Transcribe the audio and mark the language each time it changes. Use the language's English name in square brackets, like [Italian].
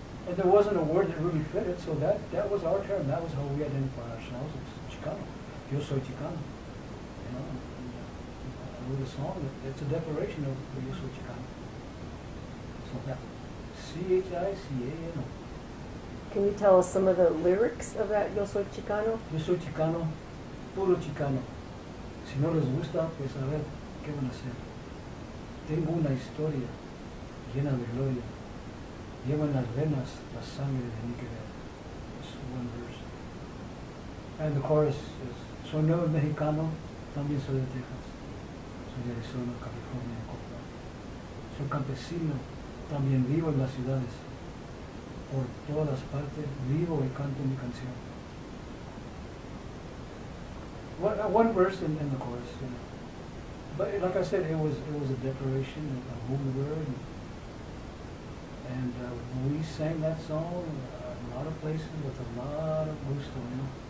[English] And there wasn't a word that really fit it, so that was our term. That was how we identify ourselves as Chicano. [Spanish] Yo soy Chicano. [English] You know, and I wrote a song that's a declaration of [Spanish] Yo soy Chicano. [English] So that C-H-I-C-A-N-O. Can you tell us some of the lyrics of that Yo soy Chicano? [Spanish] Yo soy Chicano, puro Chicano. Si no les gusta, pues a ver, ¿qué van a hacer? Tengo una historia llena de gloria. Llevo en las venas la sangre de mi querer. [English] It's one verse. And the chorus is, [Spanish] soy nuevo mexicano, también soy de Texas. Soy de Arizona, California, Copa. Soy campesino, también vivo en las ciudades. Por todas las partes, vivo y canto mi canción. [English] One verse in the chorus, you know. But like I said, it was a declaration of who we were, and we sang that song in a lot of places with a lot of gusto, you know.